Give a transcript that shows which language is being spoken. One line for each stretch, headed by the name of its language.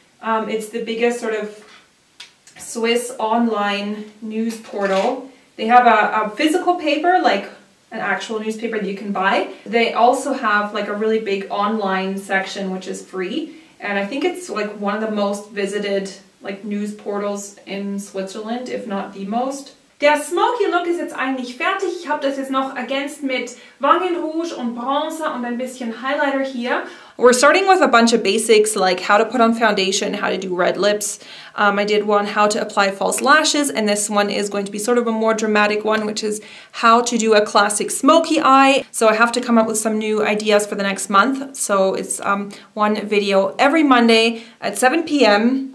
English: It's the biggest sort of Swiss online news portal. They have a physical paper, like an actual newspaper that you can buy. They also have like a really big online section which is free, and I think it's like one of the most visited like news portals in Switzerland, if not the most.
German: Der smoky look ist jetzt eigentlich fertig. Ich habe das jetzt noch ergänzt mit Wangenrouge und Bronzer und ein bisschen Highlighter hier.
English: We're starting with a bunch of basics like how to put on foundation, how to do red lips. I did one how to apply false lashes, and this one is going to be sort of a more dramatic one, which is how to do a classic smoky eye. So I have to come up with some new ideas for the next month. So it's one video every Monday at 7 p.m.